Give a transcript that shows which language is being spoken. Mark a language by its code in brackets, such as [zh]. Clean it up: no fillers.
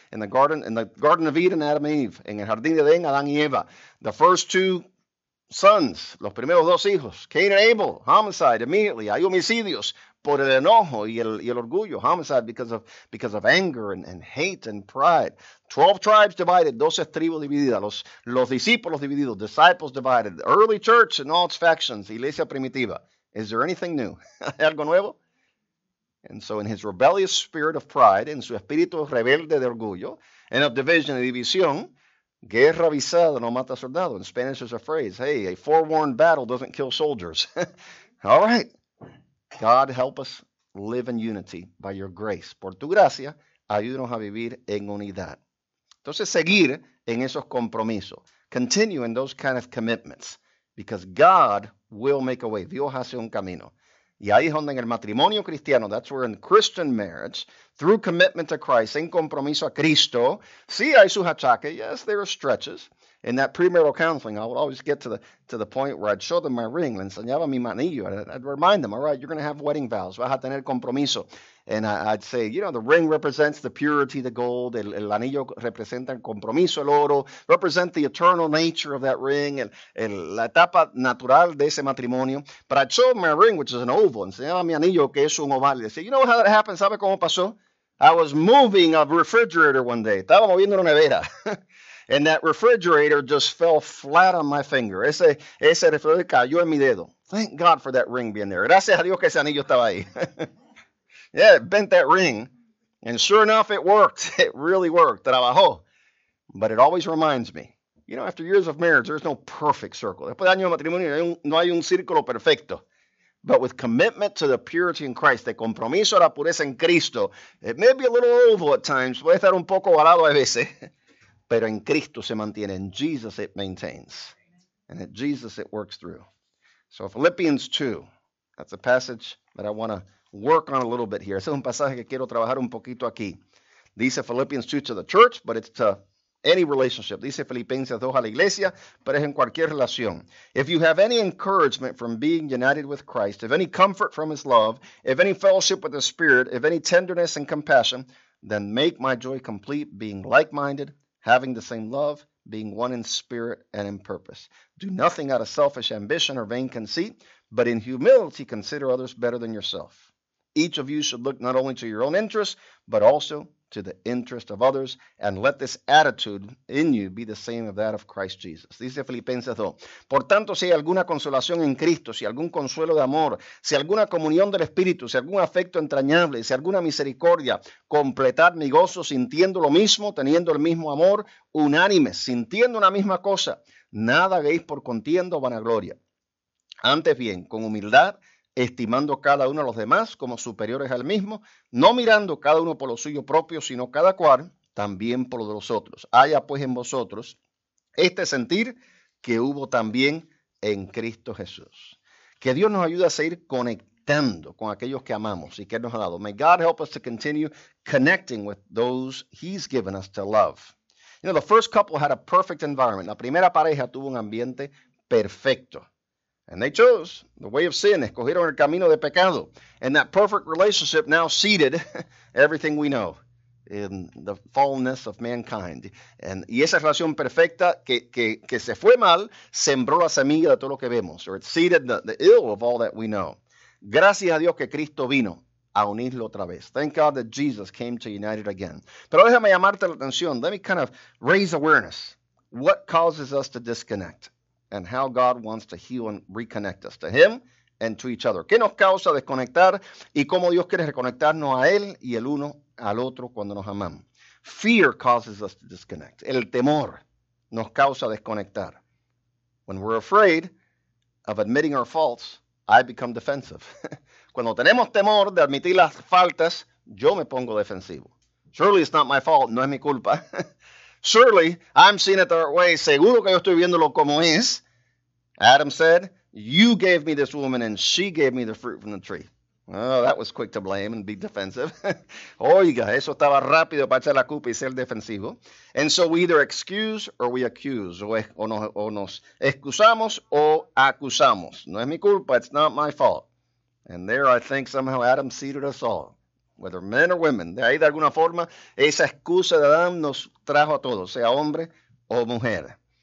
[es] En el Jardín de Edén, Adán y Eva. [en] The first two sons, [es] los primeros dos hijos, [en] Cain and Abel, homicide immediately. [es] Hay homicidios por el enojo y el orgullo. [en] Homicide because of anger and hate and pride. 12 tribes divided, [es] 12 tribus divididas, los discípulos divididos, [en] disciples divided, early church and all its factions, [es] iglesia primitiva. [en] Is there anything new? [es] ¿Algo nuevo? [en] And so in his rebellious spirit of pride, [es] en su espíritu rebelde de orgullo, [en] and of division and [es] división, guerra avisada no mata soldado. [en] In Spanish there's a phrase, hey, a forewarned battle doesn't kill soldiers. All right. God, help us live in unity by your grace. [es] Por tu gracia, ayúdanos a vivir en unidad. Entonces, seguir en esos compromisos. [en] Continue in those kind of commitments. Because God will make a way. [es] Dios hace un camino. Y ahí es donde en el matrimonio cristiano, [en] that's where in Christian marriage, through commitment to Christ, [es] en compromiso a Cristo, sí hay sus achaques, [en] yes, there are stretches. In that premarital counseling, I would always get to the point where I'd show them my ring, [es] le enseñaba mi manillo, [en] I'd remind them, all right, you're going to have wedding vows, [es] vas a tener compromiso. [en] And I'd say, you know, the ring represents the purity, the gold, [es] el anillo representa el compromiso, el oro, [en] represent the eternal nature of that ring, [es] la etapa natural de ese matrimonio. [en] But I'd show them my ring, which is an oval, [es] enseñaba mi anillo, que es un oval. Y decía, [en] you know how that happened, [es] ¿sabe cómo pasó? [en] I was moving a refrigerator one day, [es] estaba moviendo una nevera. [en] And that refrigerator just fell flat on my finger. [es] Ese refrigerador cayó en mi dedo. [en] Thank God for that ring being there. [es] Gracias a Dios que ese anillo estaba ahí. [en] Yeah, it bent that ring. And sure enough, it worked. It really worked. [es] Trabajó. [en] But it always reminds me. You know, after years of marriage, there's no perfect circle. [es] Después de años de matrimonio, no hay un círculo perfecto. [en] But with commitment to the purity in Christ, [es] de compromiso a la pureza en Cristo, [en] it may be a little oval at times. [es] Puede estar un poco ovalado a veces. Pero en Cristo se mantiene, [en] in Jesus it maintains, and in Jesus it works through. So Philippians 2, that's a passage that I want to work on a little bit here. [es] Ese es un pasaje que quiero trabajar un poquito aquí. Dice [en] Philippians 2 to the church, but it's to any relationship. [es] Dice Filipenses 2 a la iglesia, pero es en cualquier relación. If you have any encouragement from being united with Christ, if any comfort from his love, if any fellowship with the Spirit, if any tenderness and compassion, then make my joy complete, being like-minded, having the same love, being one in spirit and in purpose. Do nothing out of selfish ambition or vain conceit, but in humility consider others better than yourself. Each of you should look not only to your own interests, but also to the interest of others, and let this attitude in you be the same as that of Christ Jesus. Dice Filipenses 2. Por tanto, si hay alguna consolación en Cristo, si algún consuelo de amor, si alguna comunión del Espíritu, si algún afecto entrañable, si alguna misericordia, completad mi gozo sintiendo lo mismo, teniendo el mismo amor, unánimes, sintiendo una misma cosa. Nada hagáis por contienda o vanagloria. Antes bien, con humildad, estimando cada uno a los demás como superiores al mismo, no mirando cada uno por lo suyo propio, sino cada cual también por lo de los otros. Haya pues en vosotros este sentir que hubo también en Cristo Jesús. Que Dios nos ayude a seguir conectando con aquellos que amamos y que nos ha dado. [en] May God help us to continue connecting with those he's given us to love. You know, the first couple had a perfect environment. [es] La primera pareja tuvo un ambiente perfecto. [en] And they chose the way of sin, [es] escogieron el camino de pecado. [en] And that perfect relationship now seeded everything we know in the fallenness of mankind. [es] Y esa relación perfecta que se fue mal, sembró la semilla de todo lo que vemos. [en] Or it seeded the ill of all that we know. [es] Gracias a Dios que Cristo vino a unirlo otra vez. [en] Thank God that Jesus came to unite it again. [es] Pero déjame llamarte la atención. [en] Let me kind of raise awareness. What causes us to disconnect? And how God wants to heal and reconnect us to him and to each other. [es] ¿Qué nos causa desconectar? ¿Y cómo Dios quiere reconectarnos a él y el uno al otro cuando nos amamos? [en] Fear causes us to disconnect. [es] El temor nos causa desconectar. [en] When we're afraid of admitting our faults, I become defensive. [es] Cuando tenemos temor de admitir las faltas, yo me pongo defensivo. [en] Surely it's not my fault. [es] No es mi culpa. [en] Surely, I'm seeing it the right way. [es] Seguro que yo estoy viéndolo como es. [en] Adam said, you gave me this woman and she gave me the fruit from the tree. Oh, that was quick to blame and be defensive. [es] Oiga, eso estaba rápido para echar la culpa y ser defensivo. [en] And so we either excuse or we accuse. [es] O nos excusamos o acusamos. No es mi culpa, [en] it's not my fault. And there I think somehow Adam seated us all. Whether men or women, [es] de ahí de alguna forma, esa excusa de Adán nos trajo a todos, sea hombre o mujer.